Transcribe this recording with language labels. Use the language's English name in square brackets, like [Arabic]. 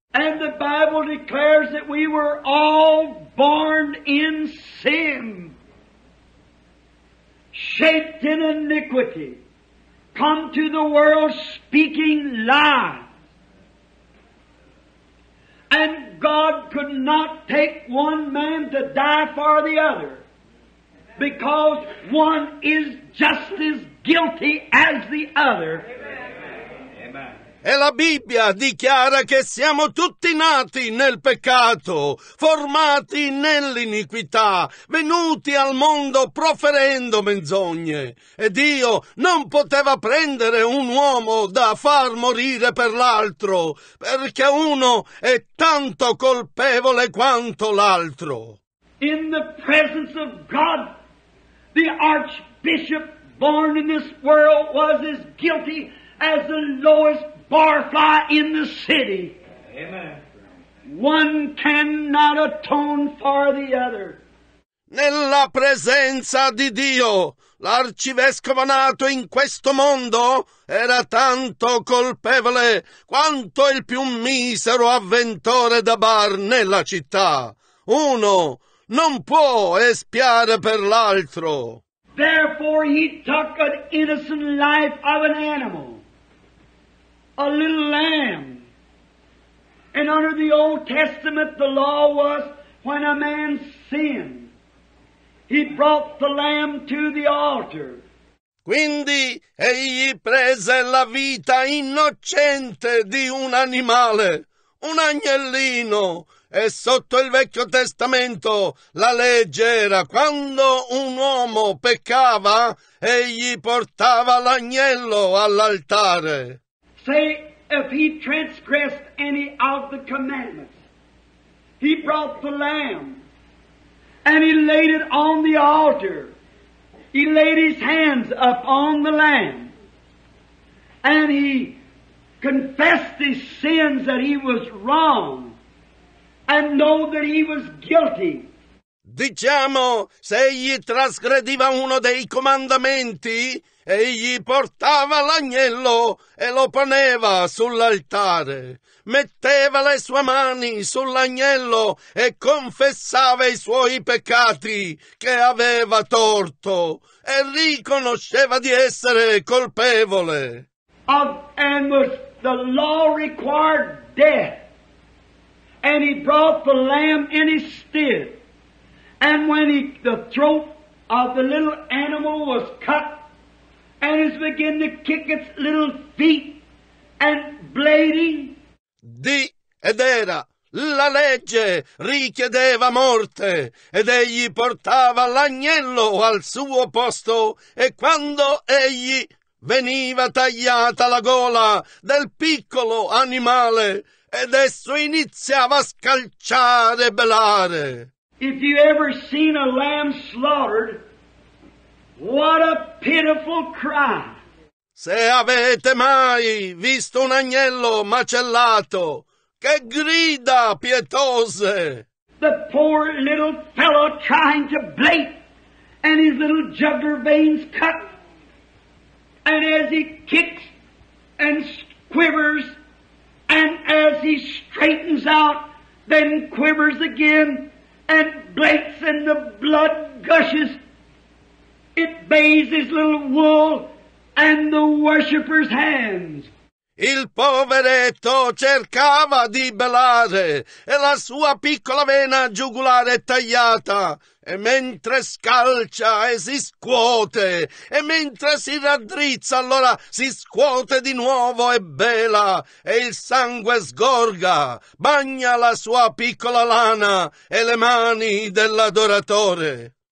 [English] And the Bible declares that we were all born in sin. Shaped in iniquity, come to the world speaking lies. And God could not take one man to die for the other, because one is just as guilty as the other. [Italian] E la Bibbia dichiara che siamo tutti nati nel peccato, formati nell'iniquità, venuti al mondo proferendo menzogne. E Dio non poteva prendere un uomo da far morire per l'altro, perché uno è tanto colpevole quanto l'altro. [English] In the presence of God, the archbishop born in this world was as guilty as the lowest barfly in the city. Amen. One cannot atone for the other. [Italian] Nella presenza di Dio, l'arcivescovo nato in questo mondo era tanto colpevole quanto il più misero avventore da bar nella città. Uno non può espiare per l'altro. [English] Therefore he took an innocent life of an animal, a little lamb. And under the Old Testament, the law was when a man sinned, he brought the lamb to the altar. [Italian] Quindi egli prese la vita innocente di un animale, un agnellino. E sotto il Vecchio Testamento la legge era: quando un uomo peccava, egli portava l'agnello all'altare. [English] Say, if he transgressed any of the commandments, he brought the lamb and he laid it on the altar. He laid his hands upon the lamb and he confessed his sins that he was wrong. And know that he was guilty. [Italian] Diciamo, se egli trasgrediva uno dei comandamenti, egli portava l'agnello e lo poneva sull'altare, metteva le sue mani sull'agnello e confessava i suoi peccati, che aveva torto, e riconosceva di essere colpevole. [English] And was the law required death. And he brought the lamb in his stead. And when the throat of the little animal was cut, and it began to kick its little feet and bleeding. [Italian] Di ed era, la legge richiedeva morte, ed egli portava l'agnello al suo posto, e quando egli veniva tagliata la gola del piccolo animale, ed esso iniziava a scalciare e belare. [English] If you ever seen a lamb slaughtered, what a pitiful cry. [Italian] Se avete mai visto un agnello macellato, che grida pietose. [English] The poor little fellow trying to bleat, and his little jugular veins cut, and as he kicks and quivers, and as he straightens out, then quivers again, and bleats, and the blood gushes. It bathes his little wool and the worshipper's hands. [Italian] Il poveretto cercava di belare, e la sua piccola vena giugulare tagliata, e mentre scalcia e si scuote, e mentre si raddrizza, allora si scuote di nuovo e bela, e il sangue sgorga, bagna la sua piccola lana e le mani dell'adoratore.